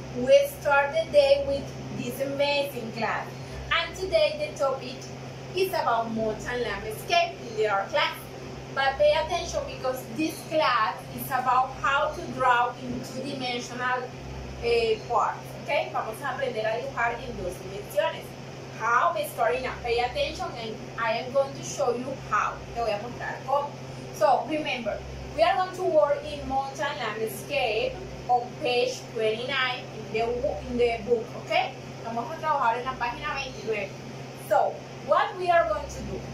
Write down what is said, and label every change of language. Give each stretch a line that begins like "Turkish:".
English: We start the day with this amazing class. And today the topic is about modern landscape in the art class. But pay attention because this class is about how to draw in two-dimensional part, okay?
Spanish: Vamos a aprender a dibujar en dos dimensiones.
English: How is going up? Pay attention and I am going to show you how.
Spanish: Te voy a mostrar cómo.
English: So, remember, we are going to work in mountain landscape on page 29 in the book, okay?
Spanish: Vamos a trabajar en la página 29.
English: So, what we are going to do?